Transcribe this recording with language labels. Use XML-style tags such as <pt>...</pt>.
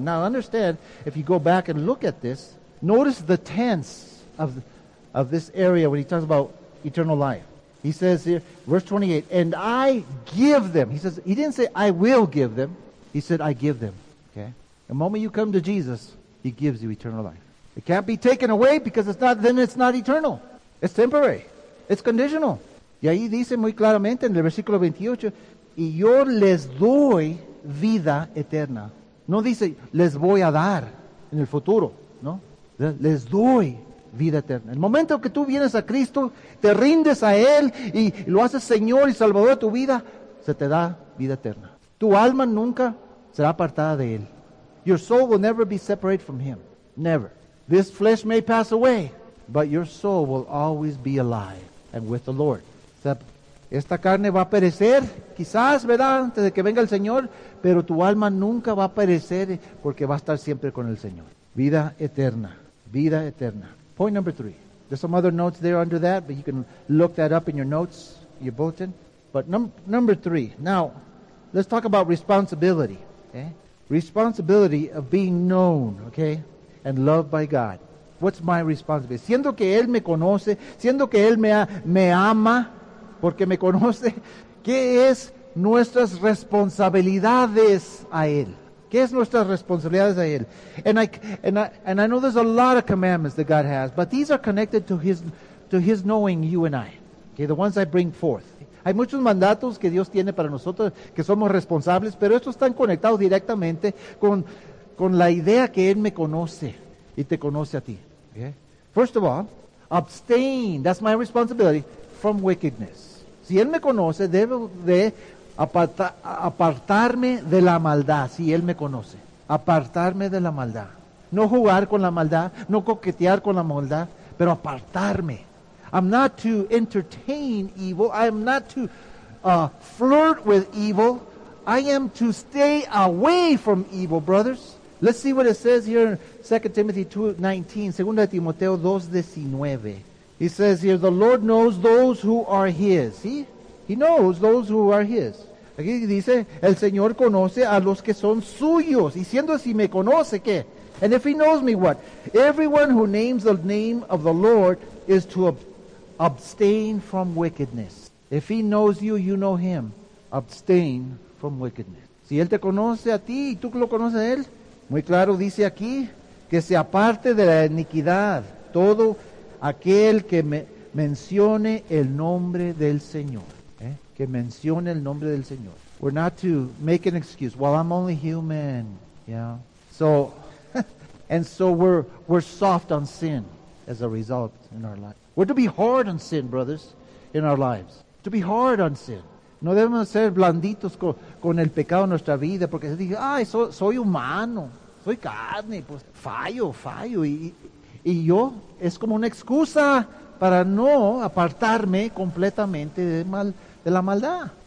<en>Now understand, if you go back and look at this, notice the tense of this area when He talks about eternal life. He says here, verse 28, and I give them. He says, He didn't say, I will give them. He said, I give them. Okay? The moment you come to Jesus, He gives you eternal life. It can't be taken away because it's not eternal. It's temporary. It's conditional.</en> <es>Y ahí dice muy claramente en el versículo 28, y yo les doy vida eterna. No dice, les voy a dar en el futuro. No. Les doy vida eterna. El momento que tú vienes a Cristo, te rindes a Él y lo haces Señor y Salvador de tu vida, se te da vida eterna. Tu alma nunca será apartada de Él.</es> <en>Your soul will never be separated from Him. Never. This flesh may pass away, but your soul will always be alive and with the Lord.</en> <es>O sea, esta carne va a perecer, quizás, ¿verdad?, antes de que venga el Señor, pero tu alma nunca va a perecer porque va a estar siempre con el Señor. Vida eterna. Vida eterna.</es> <en>Point number three. There's some other notes there under that, but you can look that up in your notes, your bulletin. But number three. Now, let's talk about responsibility. Okay? Responsibility of being known, okay, and loved by God. What's my responsibility?</en> <es>Siendo que Él me conoce, siendo que Él me ama porque me conoce, ¿qué es nuestras responsabilidades a Él? ¿Qué es nuestras responsabilidades a Él?</es> <en>And I know there's a lot of commandments that God has, but these are connected to his knowing you and I. Okay, the ones I bring forth.</en> <es>Hay muchos mandatos que Dios tiene para nosotros que somos responsables, pero estos están conectados directamente con la idea que Él me conoce y te conoce a ti.</es> <en>Okay? First of all, abstain, that's my responsibility, from wickedness.</en> <es>Si Él me conoce, debo de apartarme de la maldad, si Él me conoce. Apartarme de la maldad. No jugar con la maldad, no coquetear con la maldad, pero apartarme.</es> <en>I'm not to entertain evil. I'm not to flirt with evil. I am to stay away from evil, brothers. Let's see what it says here in 2 Timothy 2:19, 2 Timoteo 2:19. He says here, the Lord knows those who are His. See? He knows those who are His.</en> <es>Aquí dice, el Señor conoce a los que son suyos. Y siendo así, me conoce, ¿qué?</es> <en>And if He knows me, what? Everyone who names the name of the Lord is to abstain from wickedness. If He knows you, you know Him. Abstain from wickedness.</en> <es>Si Él te conoce a ti y tú lo conoces a Él, muy claro dice aquí, que se aparte de la iniquidad todo aquel que mencione el nombre del Señor. Que mencione el nombre del Señor.</es> <en>We're not to make an excuse. Well, I'm only human. Yeah. So, and so we're soft on sin as a result in our life. We're to be hard on sin, brothers, in our lives. To be hard on sin.</en> <es>No debemos ser blanditos con el pecado en nuestra vida porque se dice, ay, soy humano, soy carne, pues fallo. Y yo es como una excusa para no apartarme completamente de la maldad.</es>